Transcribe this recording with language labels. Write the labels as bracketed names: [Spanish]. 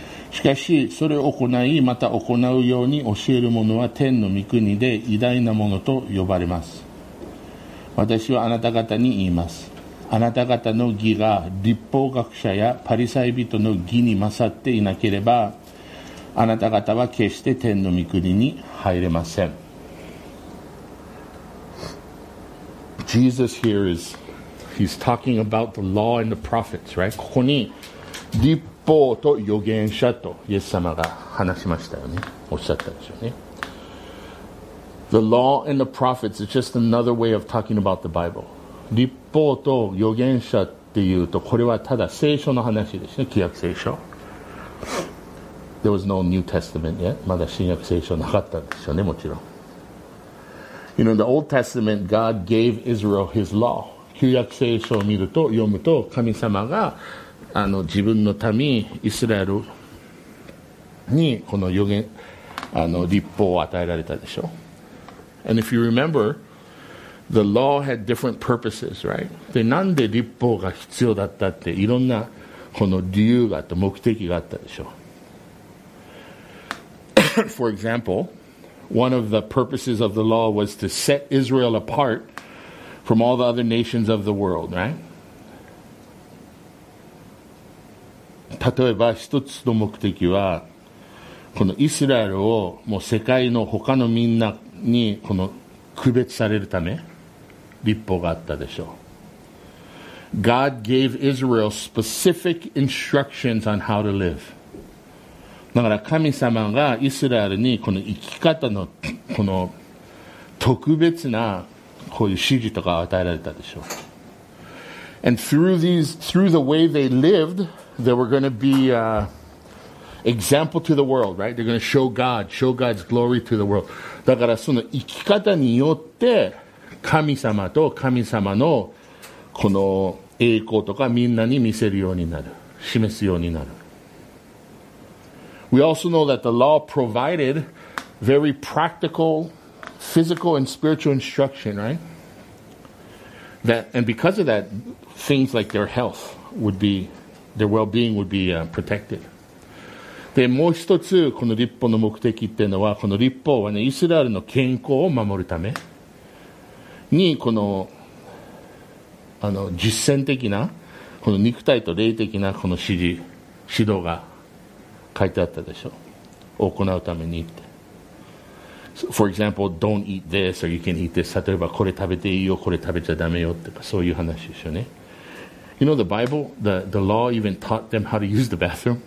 [Japanese] しかしそれを行い、また行うように教えるものは天の御国で偉大なものと呼ばれます。私はあなた方に言います、あなた方の義が律法学者やパリサイ人の義に勝っていなければあなた方は決して天の御国に入れません。 [English] Jesus here is he's talking about the law and the prophets, right? [Japanese] ここに律法律法と預言者とイエス様が話しましたよね。おっしゃったでしょうね。 [English] The law and the prophets is just another way of talking about the Bible. [Japanese] 律法と預言者っていうと、これはただ聖書の話ですね。旧約聖書。 [English] There was no New Testament yet. [Japanese] まだ新約聖書なかったんですよね、もちろん。 [English] You know, in the Old Testament, God gave Israel His law. [Japanese] 旧約聖書を見ると、読むと、神様が自分の民イスラエルにこの預言あの律法を与えられたでしょ。 [English] And if you remember, the law had different purposes, right? [Japanese] で、なんで律法が必要だったっていろんなこの理由があった、目的があったでしょ。 [English] For example, one of the purposes of the law was to set Israel apart from all the other nations of the world, right? [Japanese] 例えば一つの目的はこのイスラエルをもう世界の他のみんなにこの区別されるため律法があったでしょう。 [English] God gave Israel specific instructions on how to live. [Japanese] だから神様がイスラエルにこの生き方のこの特別なこういう指示とかを与えられたでしょう。 [English] And through these, through the way they livedThey were going to be example to the world, right? They're going to show God's glory to the world. [Japanese] だからその生き方によって神様と神様のこの栄光とかみんなに見せるようになる、示すようになる。 [English] We also know that the law provided very practical physical and spiritual instruction, right? That, and because of that, things like their health would beTheir well-being would be protected. [Japanese] で、もう一つこの律法の目的っていうのは、この律法はね、イスラエルの健康を守るためにこの、あの実践的なこの肉体と霊的なこの指導が書いてあったでしょ。行うためにって。 [English] So, for example, don't eat this or you can eat this. [Japanese] 例えばこれ食べていいよ、これ食べちゃダメよとか、そういう話ですよね。 [English] You know the Bible, the law even taught them how to use the bathroom.